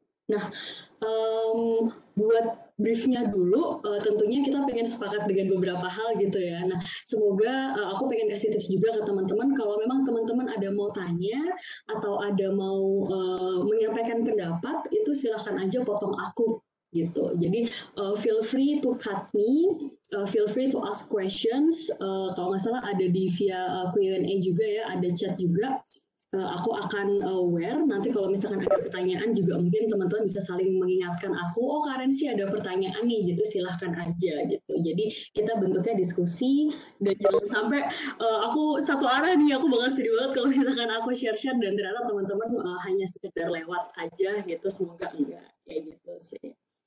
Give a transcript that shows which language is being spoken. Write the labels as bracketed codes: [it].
[id] Nah, buat briefnya dulu, tentunya kita pengen sepakat dengan beberapa hal gitu ya. Nah, semoga aku pengen kasih tips juga ke teman-teman, kalau memang teman-teman ada mau tanya atau ada mau menyampaikan pendapat, itu silahkan aja potong aku gitu. Jadi [en] feel free to cut me, feel free to ask questions. [id] Kalau nggak salah ada di via Q&A juga ya, ada chat juga. Aku akan aware, nanti kalau misalkan ada pertanyaan juga mungkin teman-teman bisa saling mengingatkan aku, oh Karensi ada pertanyaan nih, gitu silahkan aja gitu. Jadi kita bentuknya diskusi, dan jangan sampai aku satu arah nih, aku banget sedih banget kalau misalkan aku share-share dan ternyata teman-teman hanya sekedar lewat aja gitu, semoga enggak, kayak gitu sih.